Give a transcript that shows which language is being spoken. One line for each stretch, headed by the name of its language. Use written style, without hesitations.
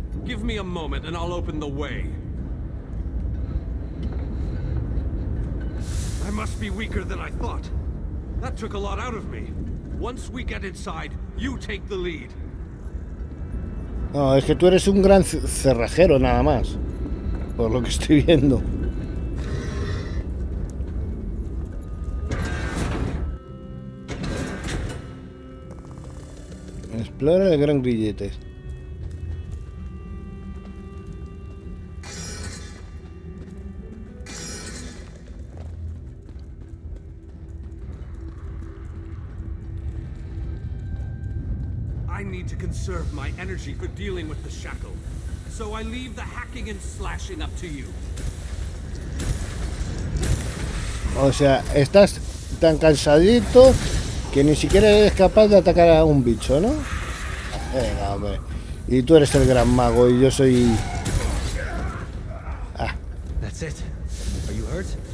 English: Give me a moment and I'll open the way. I must be weaker than I thought. That took a lot out of me. Once we get inside, you take the lead.
Spanish: No, es que tú eres un gran cerrajero, nada más. Por lo que estoy viendo. Explora el gran grillete.
English: I need to conserve my energy for dealing with the shackle. So I leave the hacking and slashing up to you.
Spanish: O sea, estás tan cansadito que ni siquiera eres capaz de atacar a un bicho, ¿no? Venga, hombre. Y tú eres el gran mago y yo soy.
English: That's it. Are you hurt?